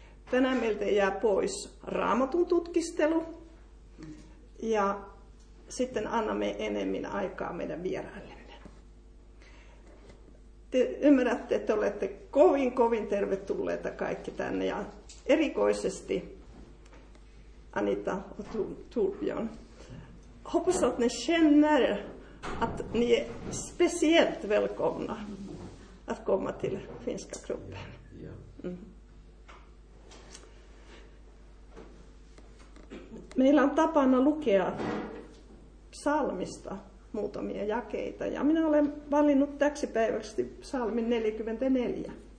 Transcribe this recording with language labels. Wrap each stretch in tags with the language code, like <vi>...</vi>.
<fi>Tänään meiltä jää pois Raamatun tutkistelu. Ja sitten annamme enemmän aikaa meidän vieraillemme. Te ymmärrätte, että olette kovin, kovin tervetulleita kaikki tänne. Ja erikoisesti Anita och Torbjörn.</fi> <sv>Hoppas att ni känner att ni är speciellt välkomna att komma till finska gruppen.</sv> <fi>Meillä on tapana lukea psalmista muutamia jakeita ja minä olen valinnut täksi päiväksi psalmin 44.</fi>